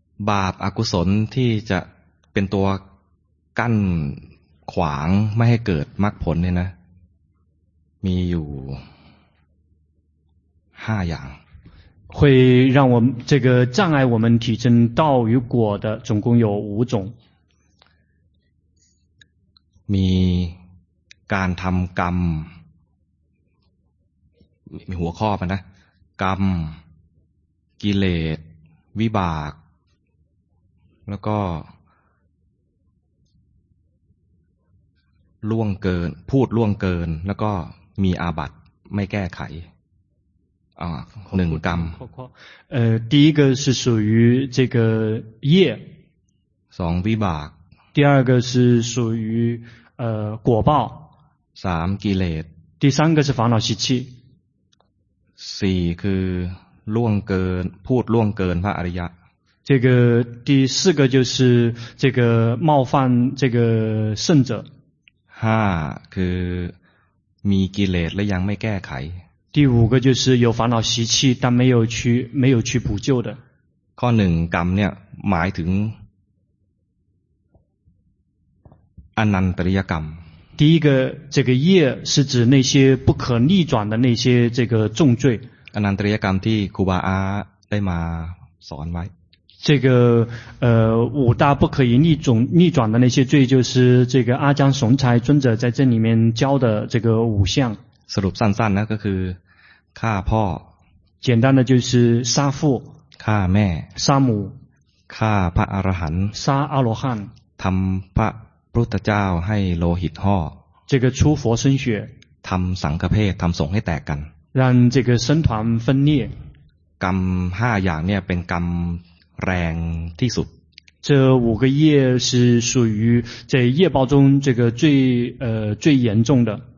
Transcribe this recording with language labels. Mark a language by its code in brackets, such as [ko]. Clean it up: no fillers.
[th] บาปอกุศลที่จะเป็นตัวกั้นขวางไม่ให้เกิดมรรคผลเนี่ยนะมีอยู่5อย่าง [zh] 会让我这个障碍我们提升道与果的总共有5种 [th] มีการทำกรรมมีหัวข้อมันนะกรรมกิเลส วิบากแล้วก็ล่วงเกินพูดล่วงเกินแล้วก็มีอาบัติไม่แก้ไขหนึ่งกรรม [zh] 第一个是属于这个业 [th] สองวิบาก [zh] 第二个是属于果报 [th] สามกิเลส [zh] 第三个是烦恼习气 [th] สี่คือล่วงเกินพูดล่วงเกินพระอริยะ [zh] 这个第四个就是这个冒犯这个圣者 [th] ห้าคือมีกิเลสและยังไม่แก้ไข [zh] 第五个就是有烦恼习气但没有去补救的 [th] ข้อหนึ่งกรรมเนี่ยหมายถึงอนันตริยกรรม [zh] 第一个这个业是指那些不可逆转的那些这个重罪 [th] อนันตริยกรรมที่ครูบาอาได้มาสอนไว้ [zh] 这个五大不可以逆转的那些罪就是这个阿姜雄才尊者在这里面教的这个五项 [th] สรุปสั้นๆนะก็คือฆ่าพ่ [zh] อ简单的就是杀父 [th] ฆ่าแม่ [zh] 杀母 [th] ฆ่าพระอรหันต์ [zh] 杀阿罗汉 [th] ทำพระพุทธเจ้าให้โลหิตห่อ [zh] 这个出佛身血 [th] ทำสังฆเภททำสงฆ์ให้แตกกัน [zh] 让这个僧团分裂 [th] กรรม5อย่างเนี่ยเป็นกรรมแรงที่สุด [zh] 这五个业是属于在业报中这个最最严重的